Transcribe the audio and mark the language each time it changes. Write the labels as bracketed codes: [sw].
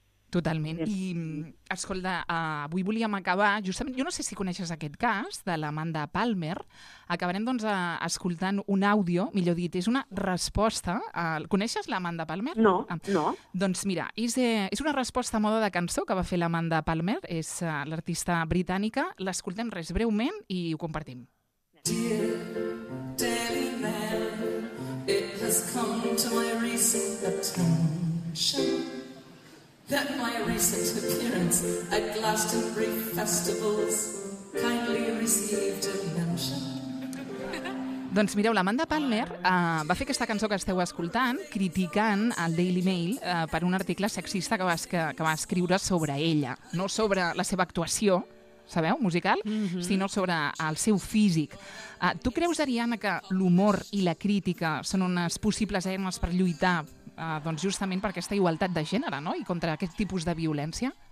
[ca] Totalment. I, escolta, avui volíem acabar, justament, jo no sé si coneixes aquest cas, de l'Amanda Palmer. Acabarem, doncs, escoltant un àudio, millor dit, és una resposta. Coneixes l'Amanda Palmer? No, no. Doncs mira, és una resposta a moda de cançó que va fer l'Amanda Palmer, és l'artista britànica. L'escoltem res breument i ho compartim. [en] Dear Daily Mail, it has come to my recent attention that my recent appearance at Glastonbury Festivals kindly received a mention. [ca] Doncs mireu, l'Amanda Palmer va fer aquesta cançó que esteu escoltant, criticant el Daily Mail per un article sexista que va escriure sobre ella, no sobre la seva actuació, sabeu, musical, sinó sobre el seu físic. Tu creus, Ariadna, que l'humor i la crítica són unes possibles eines per lluitar doncs justament per aquesta igualtat de gènere, no?, i contra aquest tipus de violència?